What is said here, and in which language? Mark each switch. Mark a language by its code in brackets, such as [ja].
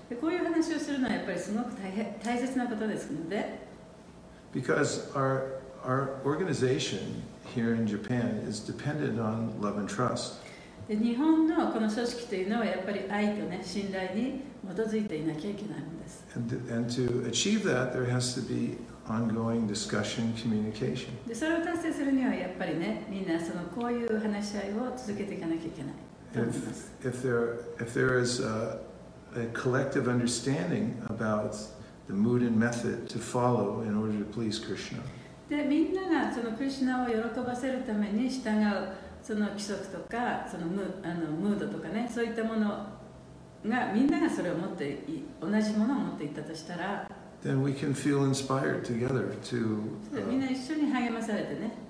[ja] こういう話をするのはやっぱりすごく大切なことですので。 [en] Because our organization here in Japan is dependent on love and trust. [ja] で、日本のこの組織というのはやっぱり愛とね、信頼に基づいていなきゃいけないんです。 [en] And to achieve that, there has to be ongoing discussion communication. If there is a collective understanding about the mood and method to follow in order to please Krishna. [ja] で、みんながそのクリシナを喜ばせるために従うその規則とかそのムードとかね、そういったものがみんながそれを持って同じものを持っていったとしたら、 [en] then we can feel inspired together to [ja] みんな一緒に励まされてね、